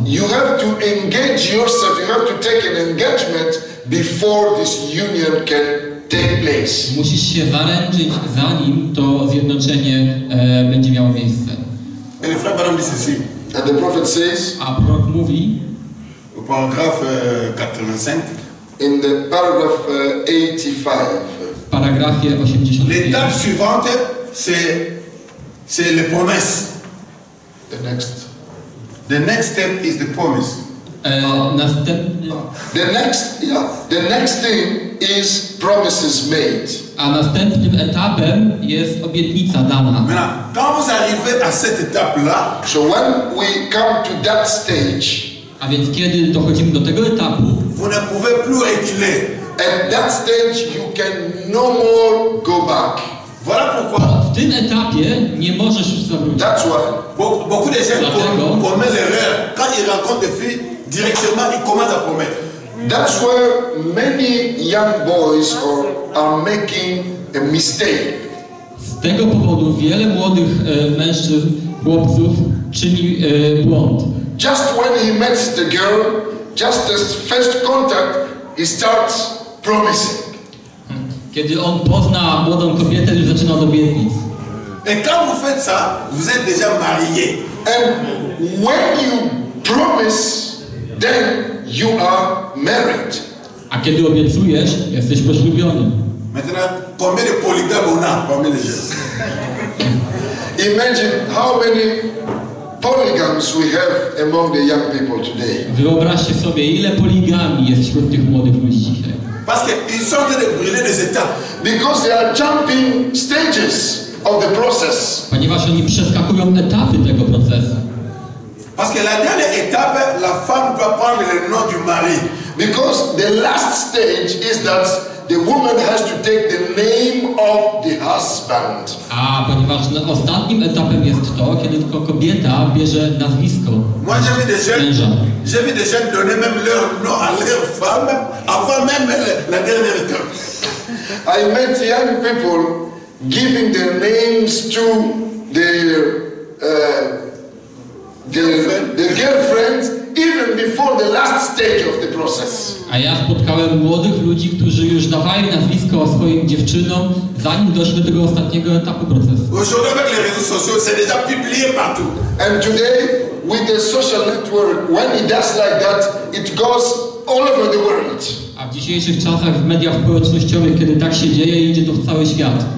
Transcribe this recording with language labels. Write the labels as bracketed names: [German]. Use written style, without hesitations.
[English] You have to engage yourself, you have to take an engagement before this union can take place. [Polish] Musisz się zaręczyć, zanim to zjednoczenie będzie miało miejsce. [English] And the Frère Baron, this is it. And the prophet says, [Polish] a prophète mówi, [French] au paragraphe 85, [English] in the paragraph 85, [French] paragraphe 85, l'étape suivante, c'est les promesses. [English] The next step is the promise. The next thing is promises made. [Polish] A następnym etapem jest obietnica dana. [French] Quand vous arrivez à cette étape là, [English] so when we come to that stage, [Polish] a więc kiedy dochodzimy do tego etapu, [French] vous ne pouvez plus reculer. [English] At that stage you can no more go back. [French] Voilà pourquoi. [Polish] W tym etapie nie możesz już zawrócić. [English] That's why. [French] Beaucoup de gens commettent l'erreur quand ils rencontrent des filles. Directement, ils commencent à promettre. [English] That's where many young boys are making a mistake. [Polish] Z tego powodu wiele młodych mężczyzn, chłopców czyni błąd. [English] Just when he meets the girl, just as first contact, he starts promising. [Polish] Kiedy on pozna młodą kobietę, już zaczyna od obietnic. [French] Et quand vous faites ça, vous êtes déjà marié. [English] And when you promise, then you are married. [Polish] A kiedy obiecujesz, jesteś poślubiony. [French] Maintenant, combien de polygames on a parmi les jeunes? [English] Imagine how many polygams we have among the young people today. [Polish] Wyobraźcie sobie, ile poligami jest wśród tych młodych ludzi dzisiaj. [French] Parce qu'ils sont en train de brûler des étapes. [English] Because they are jumping stages of the process. [Polish] Ponieważ oni przeskakują etapy tego procesu. [French] Parce que la dernière étape, la femme doit prendre le nom du mari. [English] Because the last stage is that the woman has to take the name of the husband. [Polish] A ponieważ ostatnim etapem jest to, kiedy tylko kobieta bierze nazwisko. [French] Moi j'ai vu des jeunes donner même leur nom à leur femme avant même la dernière étape. [English] I met young people giving their names to their girlfriend, even before the last stage of the process. [Polish] A ja spotkałem młodych ludzi, którzy już dawali nazwisko swoim dziewczynom, zanim doszli do tego ostatniego etapu procesu. [French] Aujourd'hui avec les réseaux sociaux, c'est déjà publié partout. [English] And today, with the social network, when it does like that, it goes all over the world. [Polish] A w dzisiejszych czasach w mediach społecznościowych, kiedy tak się dzieje, idzie to w cały świat.